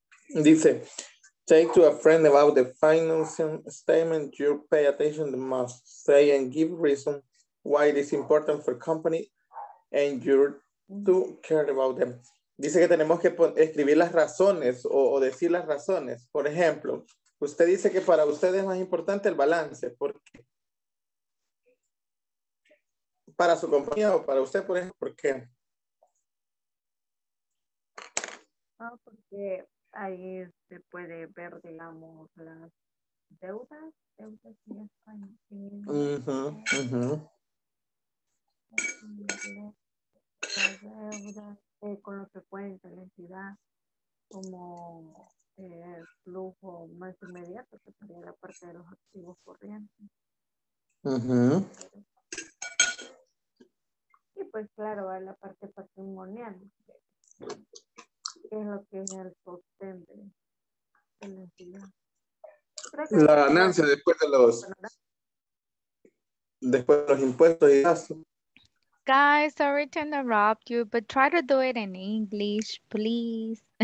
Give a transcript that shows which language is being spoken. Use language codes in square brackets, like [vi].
[es] Dice, [en] take to a friend about the financial statement. You pay attention the most. Say and give reason why it is important for company and you do care about them. [es] Dice que tenemos que escribir las razones o decir las razones. Por ejemplo, usted dice que para usted es más importante el balance. ¿Por qué? Para su compañía o para usted, por ejemplo, ¿por qué? Ah, porque ahí se puede ver, digamos, las deudas. Deudas ya están Las deudas con lo que cuenta la entidad, como el flujo más inmediato, que sería la parte de los activos corrientes. Y pues claro, va la parte patrimonial, que es lo que es el sostén de la entidad. La ganancia después de los impuestos y gastos. [en] Guys, sorry to interrupt you, but try to do it in English, please.